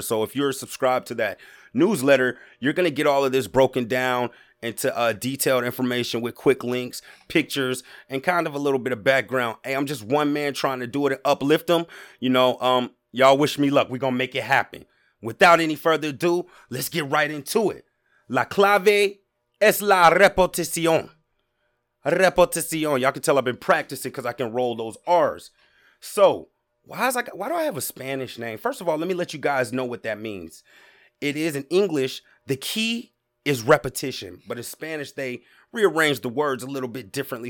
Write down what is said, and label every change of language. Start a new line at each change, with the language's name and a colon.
English: So if you're subscribed to that newsletter, you're going to get all of this broken down into detailed information with quick links, pictures, and kind of a little bit of background. Hey, I'm just one man trying to do it and uplift them. You know, y'all wish me luck. We're going to make it happen. Without any further ado, let's get right into it.
Spanish: La clave es la repetición. Repetición.
English: Y'all can tell I've been practicing because I can roll those R's. So why do I have a Spanish name? First of all, let me let you guys know what that means. It is in English, the key is repetition. But in Spanish, they rearrange the words a little bit differently.